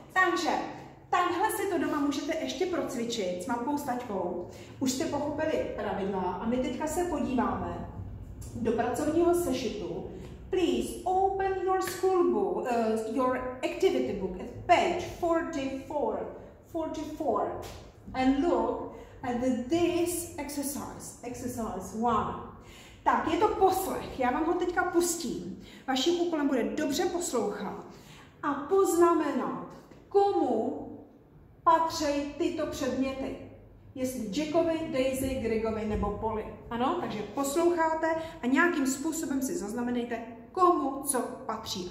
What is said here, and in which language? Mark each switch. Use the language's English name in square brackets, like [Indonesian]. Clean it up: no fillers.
[Czech] Takže, takhle si to doma můžete ještě procvičit s mamkou, s taťkou. Už jste pochopili pravidla a my teďka se podíváme do pracovního sešitu. [English] Please open your school book, your activity book at page 44 and look at this exercise 1. [Czech] Tak, je to poslech, já vám ho teďka pustím. Vaším úkolem bude dobře poslouchat a poznamenat, komu patří tyto předměty. Jestli Jackovi, Daisy, Gregovi nebo Polly. Ano, takže posloucháte a nějakým způsobem si zaznamenejte, komu co patří.